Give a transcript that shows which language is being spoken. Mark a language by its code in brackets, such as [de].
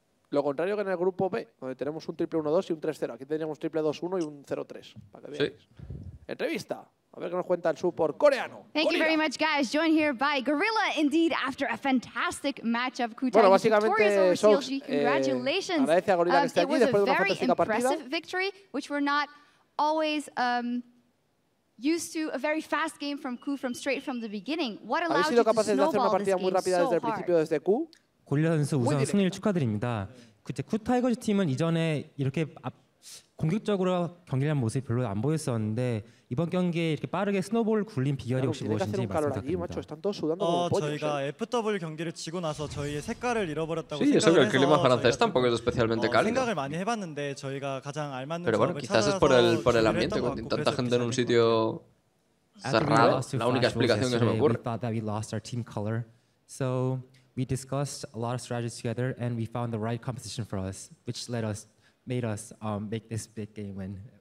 [es] Lo contrario que en el grupo B, donde tenemos un triple 1-2 y un 3-0. Aquí tendríamos triple 2-1 y un 0-3. Para que veáis. Entrevista. A ver qué nos cuenta el support coreano. [en] Thank you very much, guys. Joined here by Gorilla, indeed, after a fantastic matchup. [es] Bueno, básicamente, Sox, agradece a Gorilla que esté aquí después de una fantástica partida. [en] Victory, which we're not always used to, a very fast game from Q from straight from the beginning. What allowed you to snowball this game so hard? [es] Una partida muy rápida desde el principio, desde Q. [ko] Gorilla 선수, 우선 승리를 축하드립니다. 그때 Q 타이거즈 팀은 이전에 이렇게 공격적으로 경기를 한 모습이 별로 안 보였었는데 이번 경기에 이렇게 빠르게 스노볼을 굴린 비결이 혹시 무엇인지 말씀드립니다. 저희가 FW 경기를 지고 나서 저희의 색깔을 잃어버렸다고 생각해서 생각을 많이 해봤는데 저희가 가장 알맞는 조합을 찾아서 준비를 했던 것 같고 [en] We lost our team color. So we discussed a lot of strategies together and we found the right composition for us, which led us make this big game win.